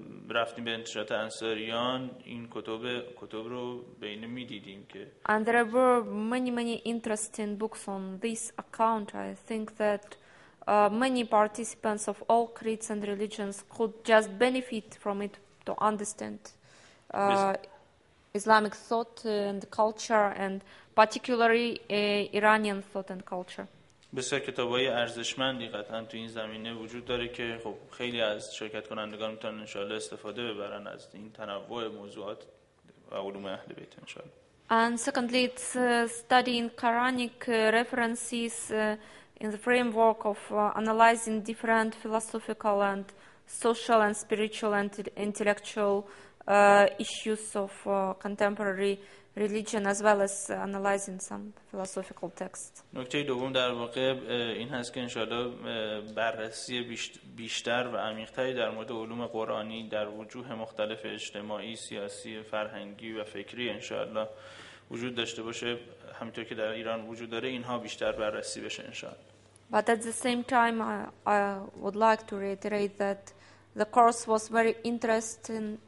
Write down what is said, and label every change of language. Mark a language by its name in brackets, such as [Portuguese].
[Persian] رفتیم به انتشارات انصاریان این کتب رو بین می دیدیم که [English] And there were many many interesting books on this account. I think that many participants of all creeds and religions could just benefit from it to understand Islamic thought and culture and particularly Iranian thought and culture. [Persian] بسیار کتاب‌های ارزشمندی قطعاً تو این زمینه وجود داره که خب خیلی از شرکت کنندگان میتونن انشاءالله استفاده ببرن از این تنوع موضوعات و علوم اهل بیت انشاءالله. [English] And secondly, it's studying Quranic references in the framework of analyzing different philosophical and social and spiritual and intellectual issues of contemporary religion as well as analyzing some philosophical texts. [Persian] نکته دوم در واقع این هست که انشاءالله بررسی بیشتر و عمیق‌تری در مورد علوم قرآنی در وجوه مختلف اجتماعی، سیاسی، فرهنگی و فکری انشاءالله وجود داشته باشه همینطور که در ایران وجود داره اینها بیشتر بررسی بشه انشاءالله. [English] But at the same time I would like to reiterate that the course was very interesting.